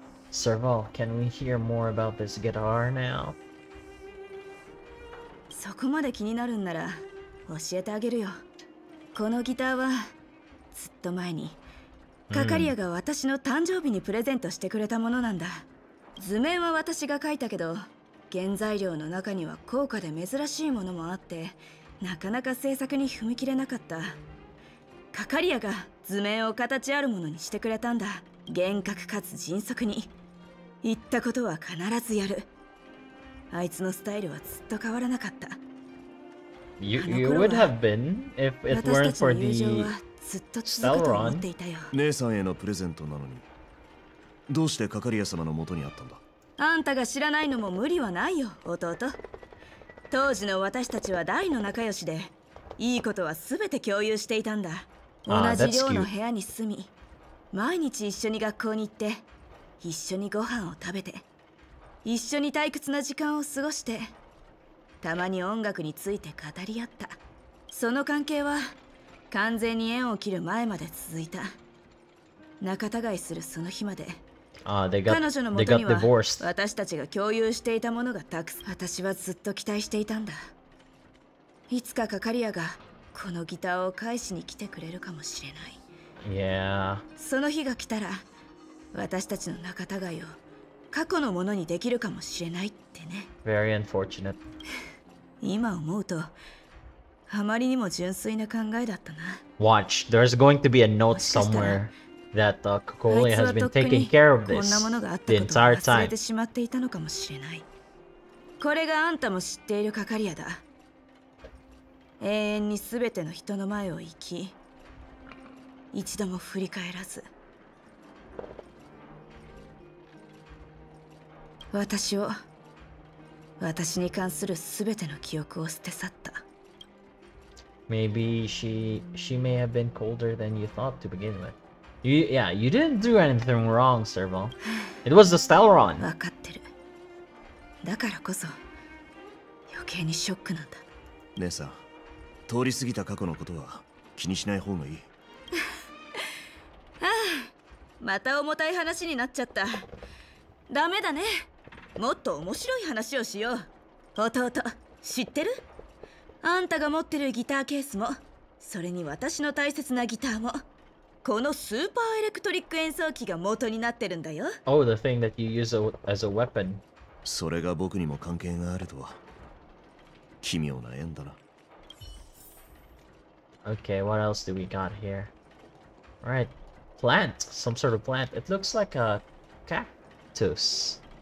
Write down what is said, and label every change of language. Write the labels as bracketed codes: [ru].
[en] Serval, can we hear more about this guitar now? [ja] そこまで気になるんなら、教えてあげるよ。このギターは、ずっと前に。カカリアが私の誕生日にプレゼントしてくれたものなんだ。図面は私が描いたけど、原材料の中には高価で珍しいものもあって、なかなか制作に踏み切れなかった。カカリアが図面を形あるものにしてくれたんだ。厳格かつ迅速に。言ったことは必ずやる。あいつのスタイルはずっと変わらなかった。 [en] You would have been if it weren't for the Stelron. [ja] 姉さんへのプレゼントなのに、どうして係屋様の元にあったんだ。あんたが知らないのも無理はないよ、弟。当時の私たちは大の仲良しで、いいことはすべて共有していたんだ。同じ寮の部屋に住み、毎日一緒に学校に行って、一緒にご飯を食べて、一緒に退屈な時間を過ごして、たまに音楽について語り合った。その関係は完全に縁を切る前まで続いた。仲違いするその日まで。彼女の元には私たちが共有していたものがたくさん。私はずっと期待していたんだ。いつか係屋がこのギターを返しに来てくれるかもしれない。その日が来たら私たちの仲違いを過去のものにできるかもしれないってね。 [en] Very unfortunate. [ja] 今思うとあまりにも純粋な考えだったな。 [en] Watch, there's going to be a note somewhere. That Kokoli has been taking care of this the entire time. [ja] てしまっていたのかもしれない。これがあんたも知っている係屋だ。永遠にすべての人の前を行き、一度も振り返らず。私に関するすべての記憶を捨て去った。 [en] Maybe she may have been colder than you thought to begin with. Yeah, you didn't do anything wrong, Servo. It was the Stelron. [ja] わかってる。だからこそ余計にショックなんだ。姉さん、通り過ぎた過去のことは気にしない方がいい。ああ、また重たい話になっちゃった。ダメだね。もっと面白い話をしよう。弟、知ってる？あんたが持ってるギターケースも、それに私の大切なギターも。このスーパーエレクトリック演奏機が元になってるんだよ。 [en] Oh, the thing that you use as a weapon. [ja] それが僕にも関係があるとは。奇妙な縁だな。 [en] Okay, what else do we got here? Alright, plant. Some sort of plant. It looks like a cactus.